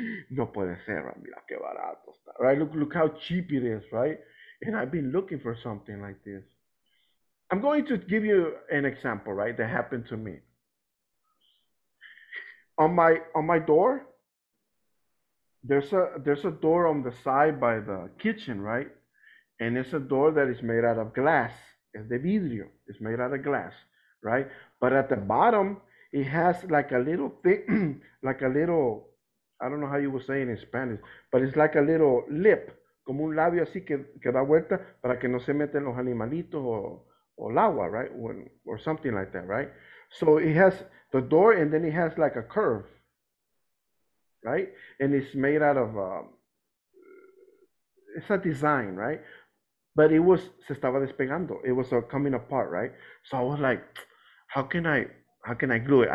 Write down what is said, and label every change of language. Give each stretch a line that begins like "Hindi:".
Spanish: No puede ser, mira qué barato está, right?
English: Look how cheap it is, right? And I've been looking for something like this. I'm going to give you an example, right, that happened to me. On my door, there's a door on the side by the kitchen, right? And it's a door that is made out of glass. It's
Spanish: de vidrio.
English: It's made out of glass, right? But at the bottom, it has like a little thing, like a little, I don't know how you would say it in Spanish, but it's like a little lip.
Spanish: Como un labio así que da vuelta para que no se meten los animalitos o el agua, right?
English: Or something like that, right? So it has the door and then it has like a curve, right? And it's made out of, it's a design, right? But it was,
Spanish: se estaba despegando.
English: It was coming apart, right? So I was like, how can I glue it?